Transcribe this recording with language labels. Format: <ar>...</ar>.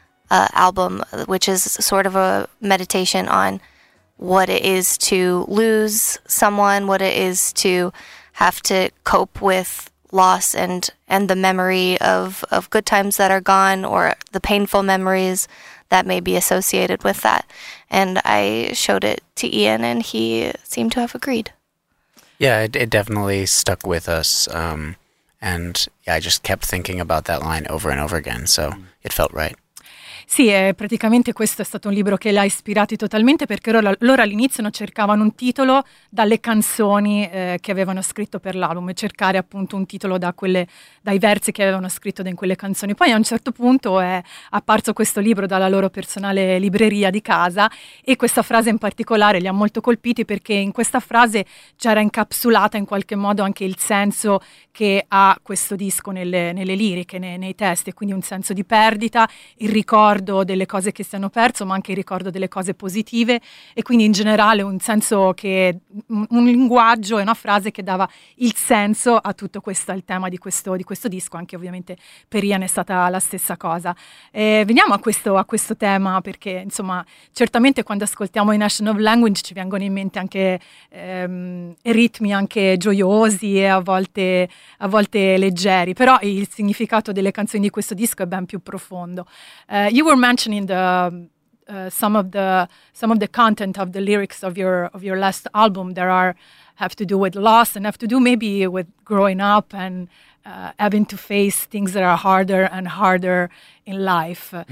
<en>album, which is sort of a meditation on what it is to lose someone, what it is to have to cope with loss and the memory of good times that are gone, or the painful memories that may be associated with that. And I showed it to Ian and he seemed to have agreed. Yeah, it definitely stuck with us. And yeah, I just kept thinking about that line over and over again, so it felt right.</en> <it>Sì, praticamente questo è stato un libro che l'ha ispirato totalmente, perché loro all'inizio non cercavano un titolo dalle canzoni che avevano scritto per l'album, e cercare appunto un titolo dai versi che avevano scritto in quelle canzoni. Poi a un certo punto è apparso questo libro dalla loro personale libreria di casa, e questa frase in particolare li ha molto colpiti, perché in questa frase c'era incapsulata in qualche modo anche il senso che ha questo disco nelle liriche, nei testi, e quindi un senso di perdita, il ricordo delle cose che si hanno perso, ma anche il ricordo delle cose positive, e quindi in generale un senso che un linguaggio e una frase che dava il senso a tutto questo, al tema di questo disco. Anche ovviamente per Ian è stata la stessa cosa. Veniamo a questo tema, perché insomma certamente quando ascoltiamo i National Language ci vengono in mente anche ritmi anche gioiosi e a volte leggeri, però il significato delle canzoni di questo disco è ben più profondo.</it> <en>You were mentioning some of the content of the lyrics of your last album that have to do with loss, and have to do maybe with growing up and having to face things that are harder and harder in life.</en>